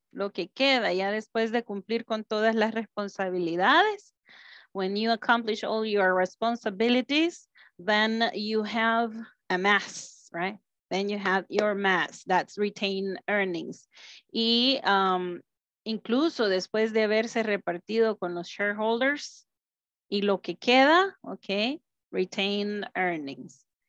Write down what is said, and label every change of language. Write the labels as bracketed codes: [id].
[es] Lo que queda ya después de cumplir con todas las responsabilidades. [en] When you accomplish all your responsibilities, then you have a mass, right? Then you have your mass, that's retained earnings. [es] Y incluso después de haberse repartido con los shareholders y lo que queda, okay, retained earnings.